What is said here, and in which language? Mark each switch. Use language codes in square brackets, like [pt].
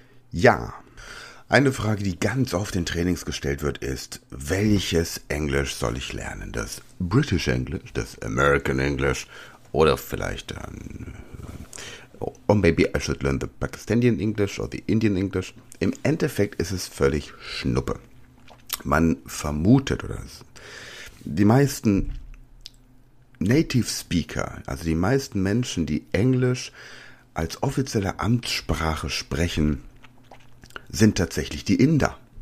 [de] Ja, eine Frage, die ganz oft in Trainings gestellt wird, ist, welches Englisch soll ich lernen? Das British English, das American English oder vielleicht dann... [en] Or maybe I should learn the Pakistani English or the Indian English. [de] Im Endeffekt ist es völlig Schnuppe. Man vermutet, oder die meisten Native Speaker, also die meisten Menschen, die Englisch als offizielle Amtssprache sprechen, sind tatsächlich die Inder.